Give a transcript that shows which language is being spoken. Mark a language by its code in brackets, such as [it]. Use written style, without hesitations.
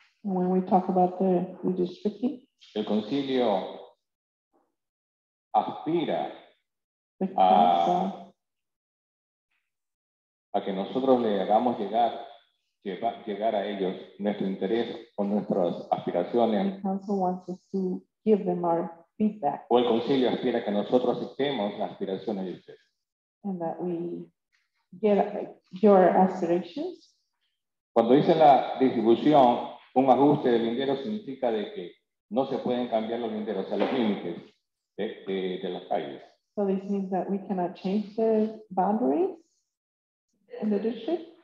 [en] When we talk about the redistricting. [es] El concilio aspira a que nosotros le hagamos llegar a ellos nuestro interés o nuestras aspiraciones. [en] The council wants us to give them our feedback. [es] O el concilio aspira que nosotros aceptemos las aspiraciones de ustedes. [en] And that we get your aspirations. [es] Cuando dice la distribución, un ajuste de linderos significa de que no se pueden cambiar los linderos, o sea, los límites. De las calles. [en] So this means that we cannot change the boundaries in the district?